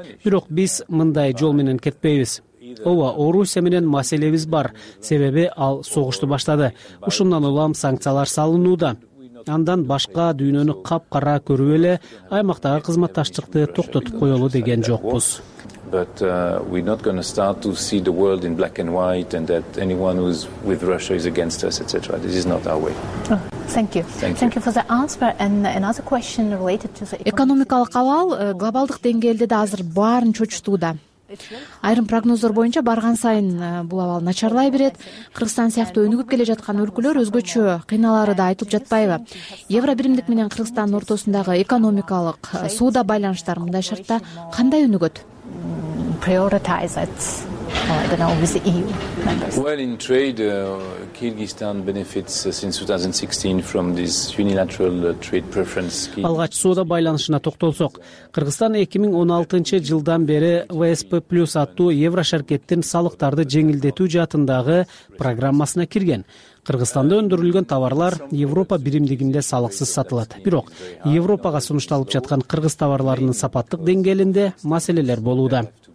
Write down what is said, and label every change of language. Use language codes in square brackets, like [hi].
[ky] Бирок биз мындай жол менен кетпейбиз. Ооба, Орусия менен маселебиз бар, себеби ал согушту баштады. Ушундан улам санкциялар салынууда. Андан башка дүйнөнү кап-кара көрүп эле аймактагы кызматташтыкты токтотуп коёлу деген жокпуз. [en] But we're not going to start to see the world in black and white and that anyone who's with Russia is against us, etc. This is not our way. Thank you. Thank you for the answer and another question related to the [ky] экономикалык абал глобалдык деңгээлде да азыр баарын чочутууда. Айрым прогноздор боюнча барган сайын бул абал начарлай берет. Кыргызстан сыяктуу өнүгүп келе жаткан өлкөлөр өзгөчө кыйналары да айтылып жатпайбы? Евробиримдик менен Кыргызстандын ортосундагы экономикалык, соода байланыштары мындай шартта кандай өнүгөт? [en] Well, in trade, Kyrgyzstan benefits since 2016 from this unilateral trade preference. [ky] Алгач соода байланышына токтолсок, Кыргызстан 2016 жылдан бери ВСП плюс аттуу Еврошаркеттин салыктарды жеңилдетүү жаатындагы программасына кирген. Кыргызстанда өндүрүлгөн товарлар Европа биримдигинде салыксыз сатылат. Бирок Европага сунушталып жаткан кыргыз товарларынын сапаттык деңгээлинде маселелер болууда.